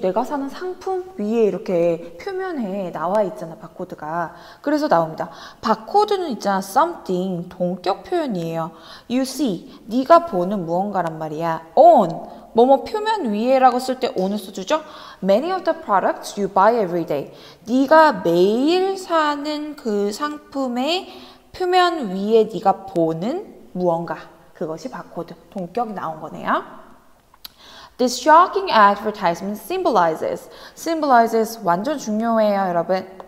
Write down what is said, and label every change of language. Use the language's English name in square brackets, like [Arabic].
[Korean] 내가 사는 상품 위에 이렇게 표면에 나와 있잖아, 바코드가. 그래서 나옵니다. 바코드는 있잖아, something 동격 표현이에요. [English] You see, [Korean] 네가 보는 무언가란 말이야. On 뭐뭐 표면 위에라고 쓸 때 오늘 써주죠? [English] Many of the products you buy every day. [Korean] 네가 매일 사는 그 상품의 표면 위에 네가 보는 무언가. 그것이 바코드. 동격이 나온 거네요. [English] This shocking advertisement symbolizes. [Korean] Symbolizes 완전 중요해요, 여러분.